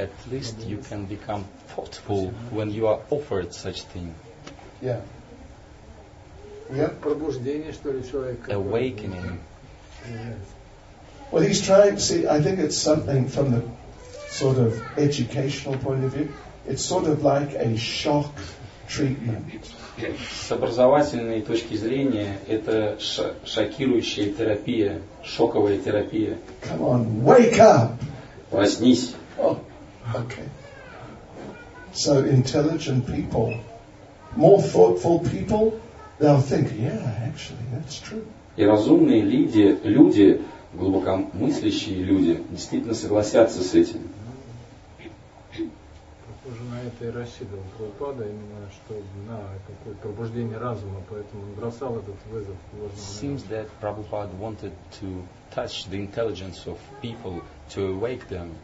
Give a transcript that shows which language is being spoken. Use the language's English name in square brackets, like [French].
[English] At least you can become thoughtful when you are offered such thing. Yeah. [Russian] Пробуждение, что ли, человека. [English] Awakening. Well, he's trying to see, I think it's something from the sort of educational point of view. It's sort of like a shock treatment. [Russian] С образовательной точки зрения, это шокирующая терапия, шоковая терапия. [English] Come on, wake up! [Russian] Проснись. [English] Oh, okay. So intelligent people, more thoughtful people, they'll think, yeah, actually, that's true. [Russian] И разумные люди, люди, глубокомыслящие люди, действительно согласятся с этим. Похоже на это и рассидывал Прабхупада, именно что на какое пробуждение разума, поэтому он бросал этот вызов. [English] Seems that Prabhupada wanted to touch the intelligence of people to awake them.